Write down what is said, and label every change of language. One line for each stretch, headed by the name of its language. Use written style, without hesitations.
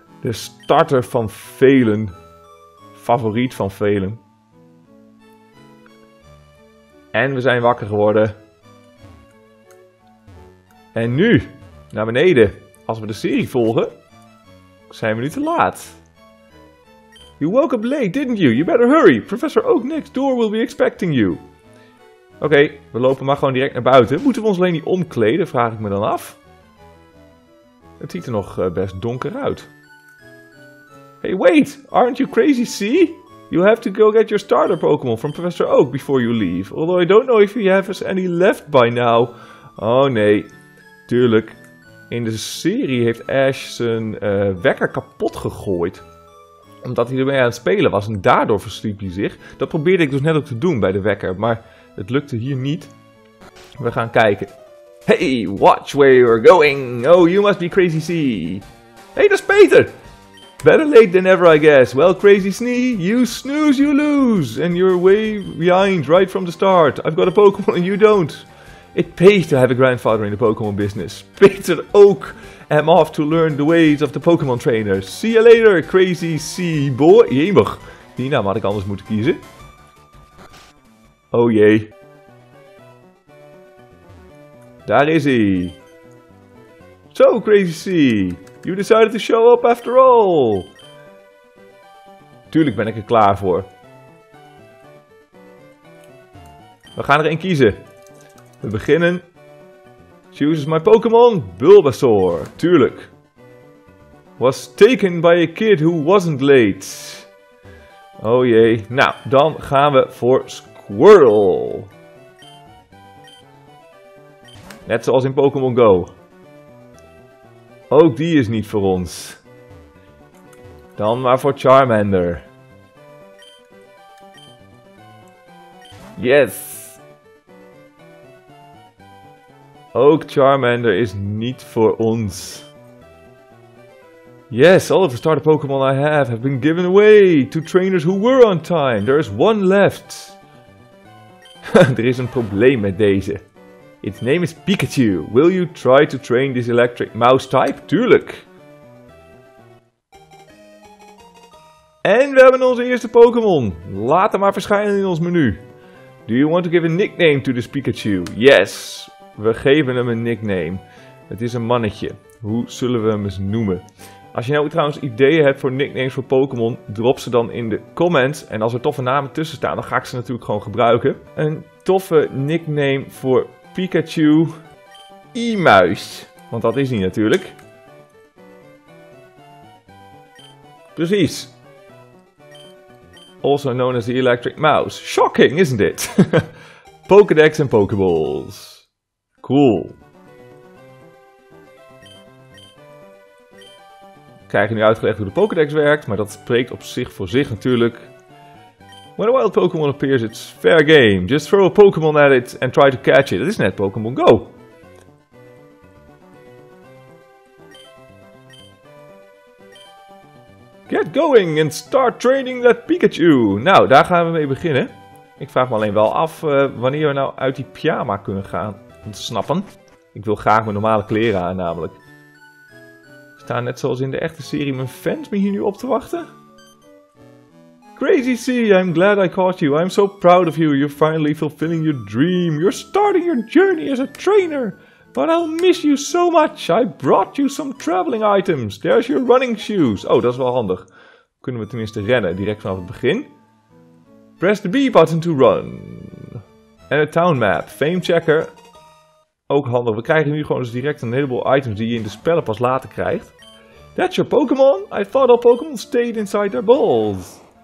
Dutch: De starter van velen. Favoriet van velen. En we zijn wakker geworden. En nu, naar beneden. Als we de serie volgen, zijn we nu te laat.
English: You woke up late, didn't you? You better hurry. Professor Oak Nick's door will be expecting you.
Dutch: Oké, we lopen maar gewoon direct naar buiten. Moeten we ons alleen niet omkleden, vraag ik me dan af. Het ziet er nog best donker uit.
English: Hey, wait! Aren't you crazy, C? You have to go get your starter Pokémon from Professor Oak before you leave. Although I don't know if you have any left by now.
Dutch: Oh nee, tuurlijk. In de serie heeft Ash zijn wekker kapot gegooid. Omdat hij ermee aan het spelen was en daardoor versliep hij zich. Dat probeerde ik dus net ook te doen bij de wekker, maar het lukte hier niet. We gaan kijken.
English: Hey, watch where you're going. Oh, you must be Crazy C. Hey,
Dutch: dat is Peter.
English: Better late than ever, I guess. Well, Crazy Snee, you snooze, you lose. And you're way behind right from the start. I've got a Pokémon and you don't. It pays to have a grandfather in the Pokémon business. Peter Oak. I'm off to learn the ways of the Pokémon trainer. See you later, Crazy C boy. Jemig.
Dutch: Die naam had ik anders moeten kiezen. Oh jee. Daar is hij. Zo, Crazy C.
English: You decided to show up after all.
Dutch: Tuurlijk ben ik er klaar voor. We gaan er een kiezen. We beginnen.
English: Choose my Pokémon, Bulbasaur.
Dutch: Tuurlijk.
English: Was taken by a kid who wasn't late.
Dutch: Oh jee. Nou, dan gaan we voor Squirtle. Net zoals in Pokémon Go. Ook die is niet voor ons. Dan maar voor Charmander.
English: Yes.
Dutch: Ook Charmander is niet voor ons.
English: Yes, all of the starter Pokémon I have been given away to trainers who were on time. There is one left.
Dutch: Er is een probleem met deze.
English: Its name is Pikachu. Will you try to train this electric mouse type?
Dutch: Tuurlijk. En we hebben onze eerste Pokémon. Laat hem maar verschijnen in ons menu.
English: Do you want to give a nickname to this Pikachu? Yes.
Dutch: We geven hem een nickname. Het is een mannetje. Hoe zullen we hem eens noemen? Als je nou trouwens ideeën hebt voor nicknames voor Pokémon, drop ze dan in de comments. En als er toffe namen tussen staan, dan ga ik ze natuurlijk gewoon gebruiken. Een toffe nickname voor Pikachu, E-muis. Want dat is hij natuurlijk. Precies.
English: Also known as the Electric Mouse. Shocking, isn't it? Pokédex en Pokéballs. Cool.
Dutch: We krijgen nu uitgelegd hoe de Pokédex werkt, maar dat spreekt op zich voor zich natuurlijk.
English: When a wild Pokémon appears, it's fair game. Just throw a Pokémon at it and try to catch it.
Dutch: Dat is net Pokémon Go.
English: Get going and start training that Pikachu.
Dutch: Nou, daar gaan we mee beginnen. Ik vraag me alleen wel af wanneer we nou uit die pyjama kunnen gaan ontsnappen. Ik wil graag mijn normale kleren aan namelijk. Staan net zoals in de echte serie mijn fans me hier nu op te wachten?
English: Crazy C, I'm glad I caught you. I'm so proud of you. You're finally fulfilling your dream. You're starting your journey as a trainer. But I'll miss you so much. I brought you some traveling items. There's your running shoes.
Dutch: Oh, dat is wel handig. Kunnen we tenminste rennen, direct vanaf het begin.
English: Press the B button to run. En a town map. Fame checker.
Dutch: Ook handig. We krijgen nu gewoon dus direct een heleboel items die je in de spellen pas later krijgt.
English: That's your Pokémon. I thought all Pokémon stayed inside their balls.